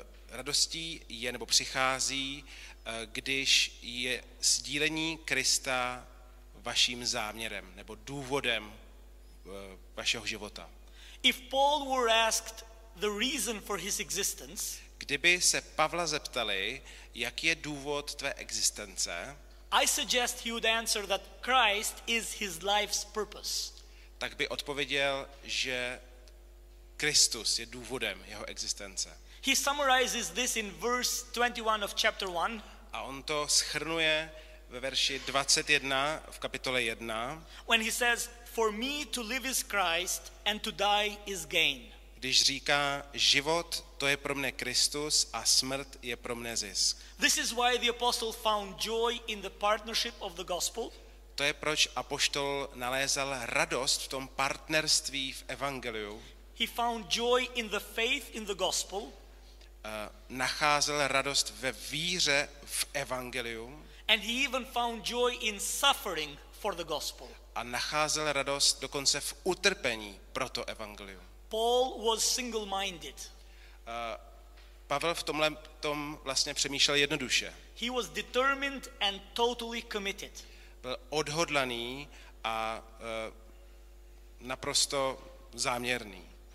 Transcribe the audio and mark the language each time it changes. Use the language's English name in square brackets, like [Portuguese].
[Czech] Radostí je nebo přichází, když je sdílení Krista vaším záměrem nebo důvodem vašeho života. [English] If Paul were asked the reason for his existence, [Czech] kdyby se Pavla zeptali, jaký je důvod tvé existence, [English] I suggest he would answer that Christ is his life's purpose. [Czech] Tak by odpověděl, že Kristus je důvodem jeho existence. [English] He summarizes this in verse 21 of chapter 1. [Czech] A on to shrnuje ve verši 21 v kapitole 1. [English] When he says, "For me to live is Christ and to die is gain." [Czech] Když říká život, to je pro mne Kristus a smrt je pro mne zisk. [English] This is why the apostle found joy in the partnership of the gospel. [Czech] To je proč apoštol nalézal radost v tom partnerství v evangeliu. [English] He found joy in the faith in the gospel. [Czech] Nacházel radost ve víře v evangeliu. [English] And he even found joy in suffering for the gospel. [Czech] A nacházel radost dokonce v utrpení pro to evangelium. [English] Paul was single-minded. [Czech] Pavel v tomhle tom vlastně přemýšlel jednoduše. [English] He was determined and totally committed. [Czech] Byl odhodlaný a naprosto záměrný.